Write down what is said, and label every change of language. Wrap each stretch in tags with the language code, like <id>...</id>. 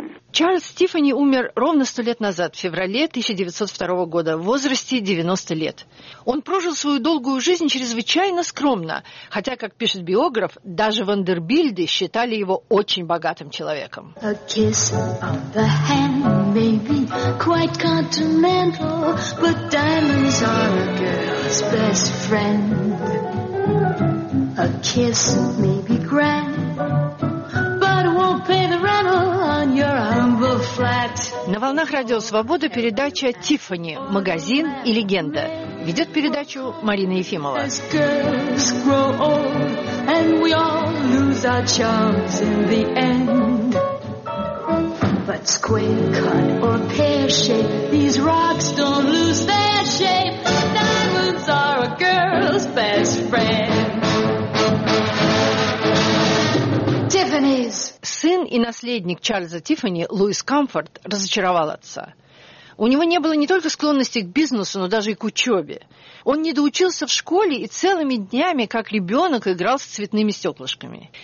<ru>Чарльз Тиффани умер ровно 100 лет назад, в феврале 1902 года, в возрасте 90 лет. Он прожил свою долгую жизнь чрезвычайно скромно, хотя, как пишет биограф, даже вандербильды считали его очень богатым человеком.</ru> <en>A kiss on the hand may be quite continental, but diamonds are a girl's best friend. A kiss may be grand, but it won't pay the rental on your humble flat.</en> <ru>На волнах Радио Свобода передача «Тиффани. Магазин и легенда». Ведет передачу Марина Ефимова.</ru> <en>As girls grow old, and we all lose our charms in the end. But square cut or pear shape, these rocks don't lose their shape. Diamonds are a girl's best friend.</en> <ru>Сын и наследник Чарльза Тиффани, Луис Камфорд, разочаровал отца. У него не было не только склонности к бизнесу, но даже и к учебе. Он недоучился в школе и целыми днями, как ребенок, играл с цветными стеклышками.</ru>